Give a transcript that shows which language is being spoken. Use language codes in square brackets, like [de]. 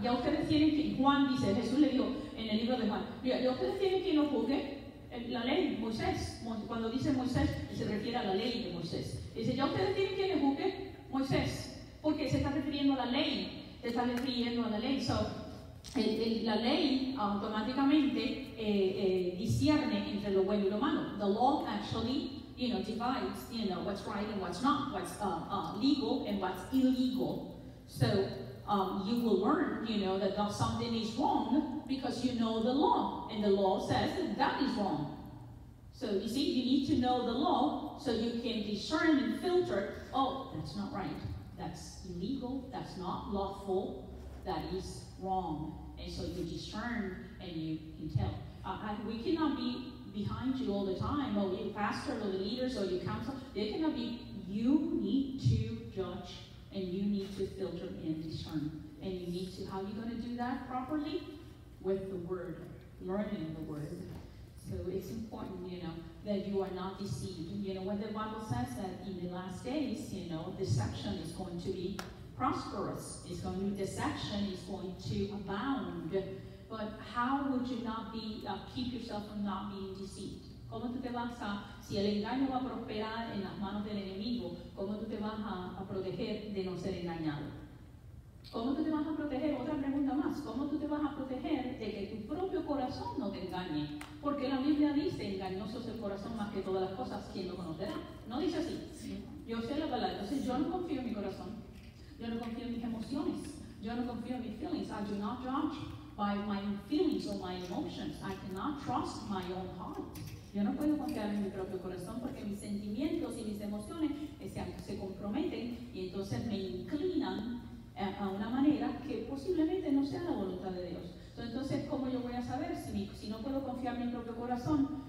[es] Ya ustedes tienen que, Juan dice, Jesús le dijo en el libro de Juan, ya ustedes tienen que no juzgue la ley, Moisés. Cuando dice Moisés, se refiere a la ley de Moisés. Dice, ya ustedes tienen que no juzgue Moisés, porque se está refiriendo a la ley, se está refiriendo a la ley. So, la ley automáticamente discierne entre lo bueno y lo malo. [en] The law actually divides, what's right and what's not, what's legal and what's illegal. So you will learn, that something is wrong because you know the law, and the law says that is wrong. So you see, you need to know the law so you can discern and filter, oh, that's not right, that's illegal, that's not lawful, that is wrong. And so you discern and you can tell. We cannot be behind you all the time, or your pastor, or the leaders, or your council, they cannot be. You need to judge, and you need to filter and discern. And you need to, how are you going to do that properly? With the word, learning the word. So it's important, that you are not deceived. What the Bible says, that in the last days, deception is going to be prosperous. It's going to be, deception is going to abound. But how would you not be keep yourself from not being deceived? [es] ¿Cómo tú te vas a, si el engaño va a prosperar en las manos del enemigo, cómo tú te vas a proteger de no ser engañado? ¿Cómo tú te vas a proteger? Otra pregunta más. ¿Cómo tú te vas a proteger de que tu propio corazón no te engañe? Porque la Biblia dice, engañoso es el corazón más que todas las cosas, ¿quién lo conocerá? No dice así. Yo sé la palabra. Entonces yo no confío en mi corazón. Yo no confío en mis emociones. Yo no confío en mis feelings. [en] I do not judge by my feelings or my emotions. I cannot trust my own heart. [es] Yo no puedo confiar en mi propio corazón porque mis sentimientos y mis emociones se comprometen y entonces me inclinan a una manera que posiblemente no sea la voluntad de Dios. Entonces, ¿cómo yo voy a saber si no puedo confiar en mi propio corazón?